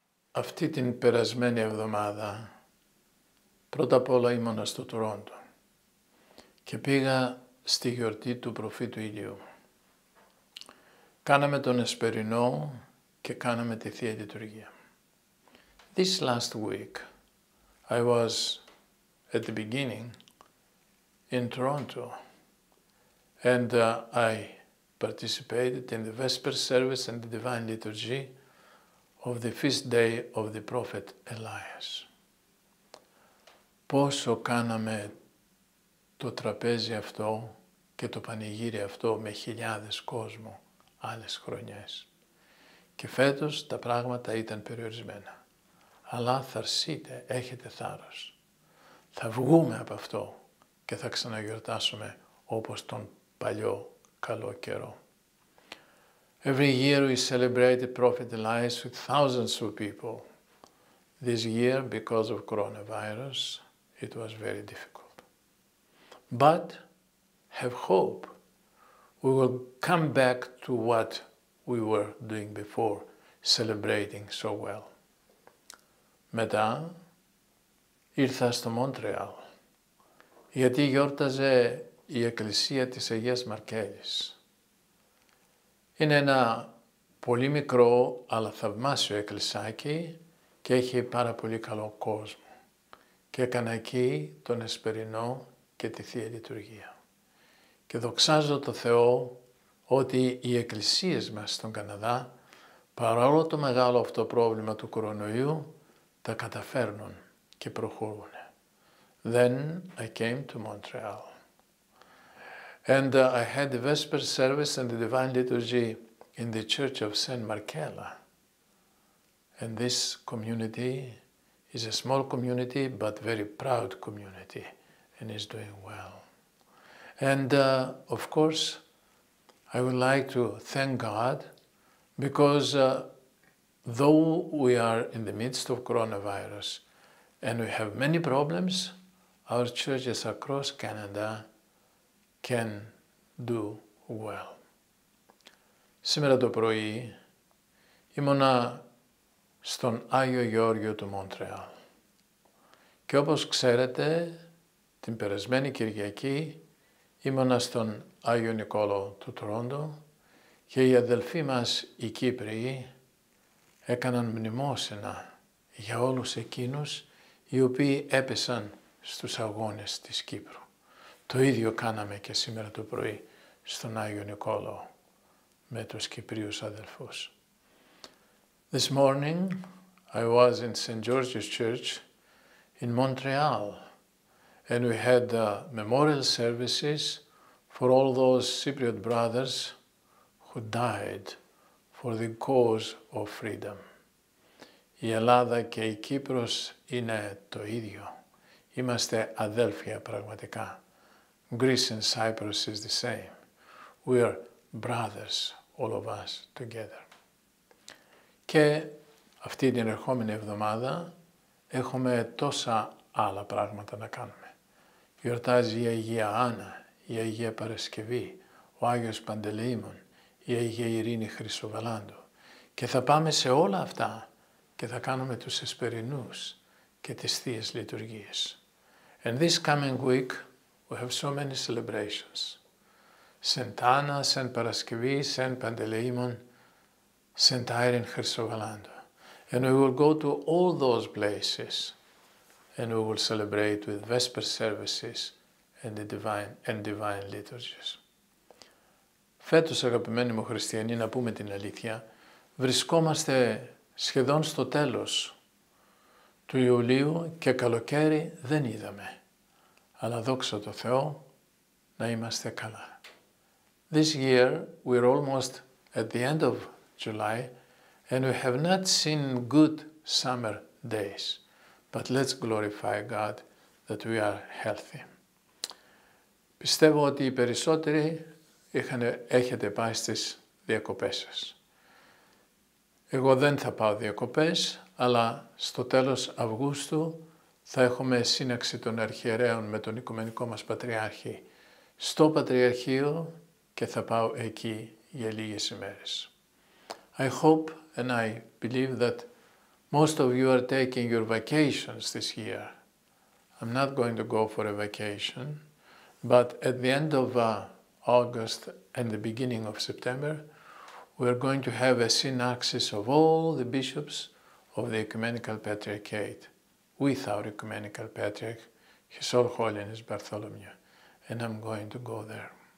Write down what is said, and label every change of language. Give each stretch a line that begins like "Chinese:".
Greek: Αυτή την περασμένη εβδομάδα πρώτα απ' όλα ήμουνα στο Τορόντο και πήγα στη γιορτή του προφήτου Ηλίου. Κάναμε τον Εσπερινό και κάναμε τη Θεία Λειτουργία.
English: This last week I was at the beginning in Toronto, and I participated in the Vesper service and the Divine Liturgy of the feast day of the prophet Elias.
Greek: Πόσο κάναμε το τραπέζι αυτό και το πανηγύρι αυτό με χιλιάδες κόσμο άλλες χρονιές. Και φέτος τα πράγματα ήταν περιορισμένα. Αλλά θα αρσείτε, έχετε θάρρος. Θα βγούμε από αυτό και θα ξαναγιορτάσουμε όπως τον παλιό καλό καιρό.
English: Every year we celebrate the prophet Elias with thousands of people. This year, because of coronavirus, it was very difficult. But have hope. We will come back to what we were doing before, celebrating so well.
Greek: Μετά ήρθα στο Μόντρεαλ, γιατί γιόρταζε η Εκκλησία της Αγίας Μαρκέλης. Είναι ένα πολύ μικρό αλλά θαυμάσιο εκκλησάκι και έχει πάρα πολύ καλό κόσμο. Και έκανα εκεί τον Εσπερινό και τη Θεία Λειτουργία. Και δοξάζω το Θεό ότι οι εκκλησίες μας στον Καναδά, παρόλο το μεγάλο αυτό πρόβλημα του κορονοϊού, τα καταφέρνουν και προχωρούν.
English: Then I came to Montreal. And I had the Vespers service and the Divine Liturgy in the Church of Saint Marcella. And this community is a small community, but very proud community, and is doing well. And of course, I would like to thank God, because though we are in the midst of coronavirus and we have many problems, our churches across Canada can do well.
Greek: Σήμερα το πρωί ήμουνα στον Άγιο Γεώργιο του Μοντρεάλ. Και όπως ξέρετε, την περασμένη Κυριακή ήμουνα στον Άγιο Νικόλο του Τρόντο και οι αδελφοί μας οι Κύπριοι έκαναν μνημόσυνα για όλους εκείνους οι οποίοι έπεσαν στους αγώνες της Κύπρου. Το ίδιο κάναμε και σήμερα το πρωί στον Άγιο Νικόλο με τους Κυπρίους αδελφούς.
English: This morning I was in St. George's Church in Montreal and we had memorial services for all those Cypriot brothers who died for the cause of freedom.
Greek: Η Ελλάδα και η Κύπρος είναι το ίδιο. Είμαστε αδέλφια πραγματικά.
English: Greece and Cyprus is the same. We are brothers, all of us, together.
Greek: Και αυτή την ερχόμενη εβδομάδα έχουμε τόσα άλλα πράγματα να κάνουμε. Γιορτάζει η Αγία Άννα, η Αγία Παρασκευή, ο Άγιος Παντελεήμων, η Αγία Ειρήνη Χρυσοβαλάντου. Και θα πάμε σε όλα αυτά και θα κάνουμε τους εσπερινούς και τις θείες λειτουργίες.
English: And this coming week we have so many celebrations. Saint Anna, Saint Paraskevi, Saint Panteleimon, Saint Irene Chrysovalanda. And we will go to all those places and we will celebrate with Vesper services and the divine liturgies.
Greek: Φέτος, αγαπημένοι μου χριστιανοί, να πούμε την αλήθεια, βρισκόμαστε σχεδόν στο τέλος του Ιουλίου και καλοκαίρι δεν είδαμε. Αλλά δόξα τω Θεώ να είμαστε καλά.
English: This year we're almost at the end of July and we have not seen good summer days. But let's glorify God that we are healthy.
Greek: Πιστεύω ότι οι περισσότεροι έχετε πάει στις διακοπές σας. Εγώ δεν θα πάω διακοπές, αλλά στο τέλος Αυγούστου θα έχουμε σύναξη των αρχιερέων με τον Οικουμενικό μας Πατριάρχη στο Πατριαρχείο και θα πάω εκεί για λίγες ημέρες.
English: I hope and I believe that most of you are taking your vacations this year. I'm not going to go for a vacation, but at the end of August and the beginning of September, we are going to have a synaxis of all the bishops of the Ecumenical Patriarchate with our Ecumenical Patriarch, His All Holiness Bartholomew, and I'm going to go there.